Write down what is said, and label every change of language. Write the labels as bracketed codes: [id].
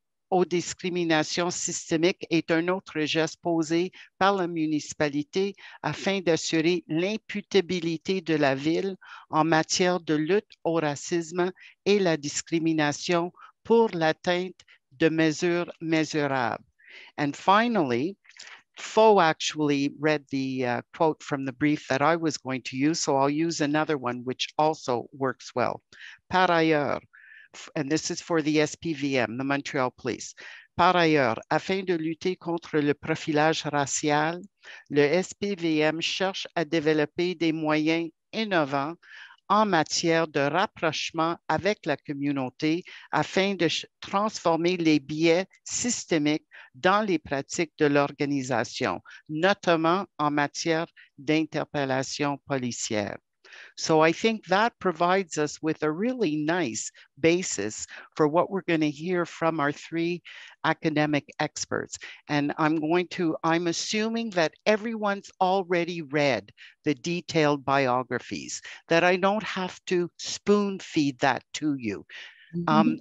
[fr] aux discriminations systémiques est un autre geste posé par la municipalité afin d'assurer l'imputabilité de la ville en matière de lutte au racisme et la discrimination pour l'atteinte de mesures mesurables. [en] And finally, Faux actually read the quote from the brief that I was going to use, so I'll use another one which also works well. [fr] Par ailleurs, [en] and this is for the SPVM, the Montreal Police. [fr] Par ailleurs, afin de lutter contre le profilage racial, le SPVM cherche à développer des moyens innovants en matière de rapprochement avec la communauté afin de transformer les biais systémiques dans les pratiques de l'organisation, notamment en matière d'interpellation policière. [en] So I think that provides us with a really nice basis for what we're going to hear from our three academic experts. And I'm assuming that everyone's already read the detailed biographies, that I don't have to spoon feed that to you. Mm-hmm.